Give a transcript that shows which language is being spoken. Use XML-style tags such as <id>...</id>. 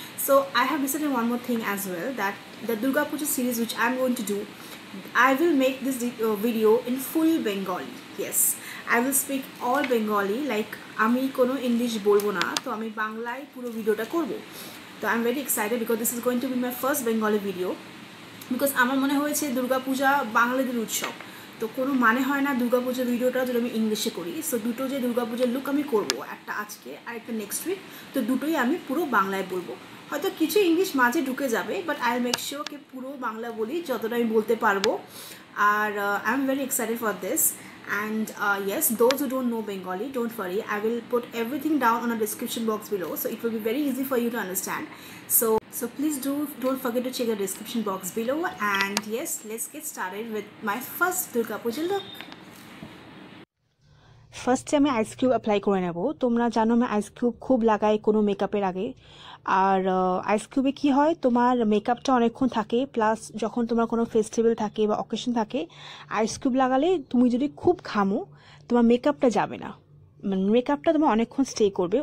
<en>So I have decided one more thing as well, that the Durga Puja series which I'm going to do, I will make this video in full Bengali. Yes, I will speak all Bengali, like</en> <bn>ami kono English bolbo na, to ami banglai puro video ta korbo.</bn> <en>So I'm very excited because this is going to be my first Bengali video.</en> <bn>Because আমার মনে হয়েছে দুর্গা পূজা বাঙালিদের উৎসব, তো কোনো মানে হয় না দুর্গা পূজার ভিডিওটা যদি আমি ইংলিশে করি। সো দুটো যে দুর্গা পূজার লুক আমি করবো, একটা আজকে আর একটা নেক্সট উইক, তো দুটোই আমি পুরো বাংলায় বলবো। হয়তো কিছু ইংলিশ মাঝে ঢুকে যাবে,</bn> <en>but I make sure</en> <bn>কি পুরো বাংলা বলি যতটা আমি বলতে পারবো।</bn> <en>আর I am very excited for this, and yes, those who don't know Bengali don't worry, I will put everything down on a description box below, so it will be very easy for you to understand. So please don't forget to check the description box below, and yes, let's get started with my first Durga Puja look.</en> <bn>ফার্স্টে আমি আইসক্রিউব apply করে নেবো। তোমরা জানো আমি আইসক্রিউব খুব লাগাই কোনো মেকআপের আগে। আর আইসক্রিউবে কি হয়, তোমার মেকআপটা অনেকক্ষণ থাকে, প্লাস যখন তোমার কোনো ফেস্টিভ্যাল থাকে বা অকেশন থাকে, আইসক্রিউব লাগালে তুমি যদি খুব ঘামো তোমার মেকআপটা যাবে না, মানে মেকআপটা তোমার অনেকক্ষণ স্টে করবে।</bn>